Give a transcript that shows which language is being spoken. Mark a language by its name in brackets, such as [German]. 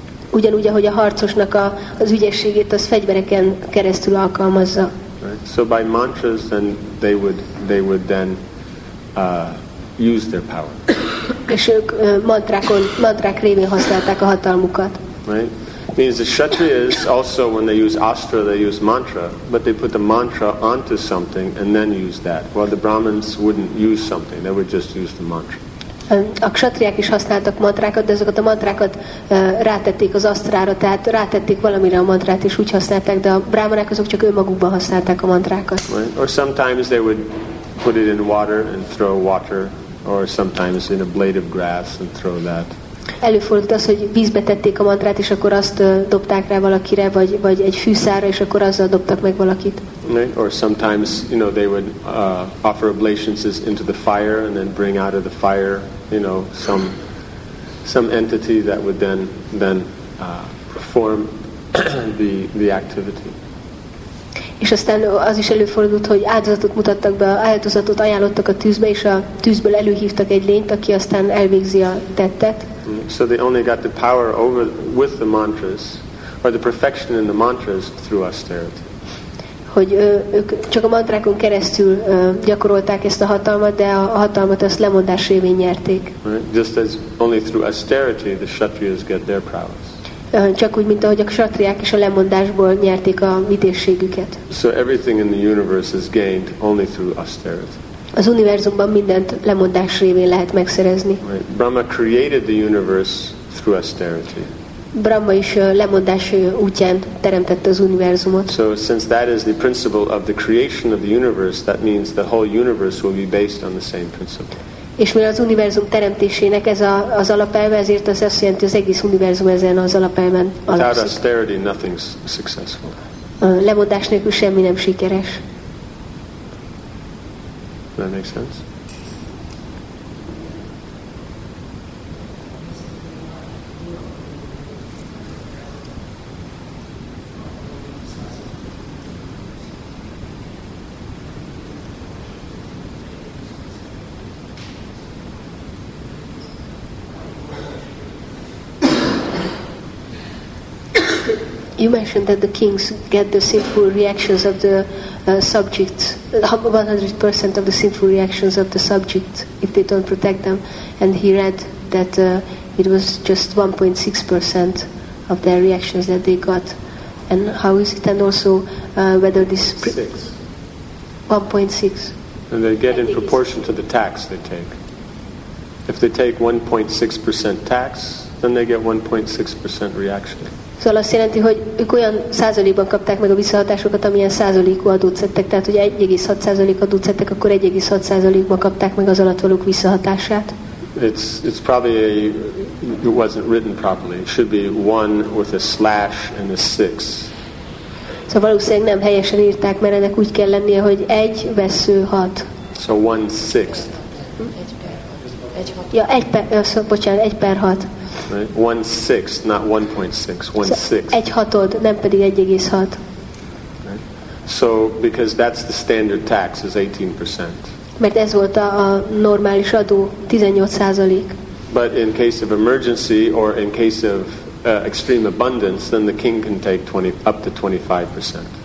[Hungarian] Ugyanúgy, ahogy a harcosnak az ügyességét az fegyvereken keresztül alkalmazza. [English] Right, so by mantras then they would then use their power. [Hungarian] És ők mantrák révén használták a hatalmukat. [English] Right. Means the kshatriyas also, when they use astra, they use mantra, but they put the mantra onto something and then use that. While the brahmins wouldn't use something, they would just use the mantra. [Hungarian] A kshatriyák is használtak mantrákat, de ezeket a mantrákat rátették az asztrára, tehát rátették valamire a mantrát, és úgy használták, de a brahmanák azok csak önmagukban használták a mantrákat. [English] Right? Or sometimes they would put it in water and throw water, or sometimes in a blade of grass and throw that. [Hungarian] Előfordult az, hogy vízbe tették a mantrát, és akkor azt dobták rá valakire, vagy egy fűszára, és akkor azzal dobtak meg valakit. [English] Right. Or sometimes, you know, they would offer oblations into the fire and then bring out of the fire, you know, some entity that would then perform the activity. [Hungarian] És aztán az is előfordult, hogy áldozatot mutattak be, áldozatot ajánlottak a tűzbe, és a tűzből előhívtak egy lényt, aki aztán elvégzi a tettet. [English] So they only got the power over with the mantras, or the perfection in the mantras through austerity. [Hungarian] Hogy ők csak a mantrákon keresztül gyakorolták ezt a hatalmat, de a hatalmat azt lemondás révén nyerték. [English] Right? Just as only through austerity the kshatriyas get their prowess. [Hungarian] Csak úgy, mint ahogy a kshatriák is a lemondásból nyerték a vitézségüket. [English] So everything in the universe is gained only through austerity. [Hungarian] Az univerzumban mindent lemondás révén lehet megszerezni. [English] Right. Brahma created the universe through austerity. [Hungarian] Brahma is lemondás útján teremtette az univerzumot. [English] So since that is the principle of the creation of the universe, that means the whole universe will be based on the same principle. [Hungarian] És mivel az univerzum teremtésének ez az alapelve, ezért az azt jelenti, hogy az egész univerzum ezen az alapelven alapszik. [English] Without austerity, nothing's successful. [Hungarian] Lemondás nélkül semmi nem sikeres. [English] That makes sense. You you mentioned that the kings get the sinful reactions of the subjects, 100% of the sinful reactions of the subjects if they don't protect them, and he read that it was just 1.6% of their reactions that they got. And how is it, and also whether this... 1.6. And they get in proportion to the tax they take. If they take 1.6% tax, then they get 1.6% reaction. [Hungarian] Szóval azt jelenti, hogy ők olyan százalékban kapták meg a visszahatásokat, amilyen százalékú adót szedtek. Tehát, hogy 1.6% adót szedtek, akkor 1.6%-ban kapták meg az alattvalók visszahatását. [English] It's probably it wasn't written properly. It should be 1 with a slash and a 6. [Hungarian] Szóval valószínűleg nem helyesen írták, mert ennek úgy kell lennie, hogy 1 vesző 6. [English] So 1/6. [Hungarian] Ja, 1 per, bocsánat, 1 per 6. [English] 1/6, not 1.6, 1/6. [Hungarian] 1 hatod, nem pedig 1.6. [English] So, because that's the standard tax, is 18%. [Hungarian] Mert ez volt a normális adó, 18%. [English] But in case of emergency or in case of extreme abundance, then the king can take 20, up to 25%.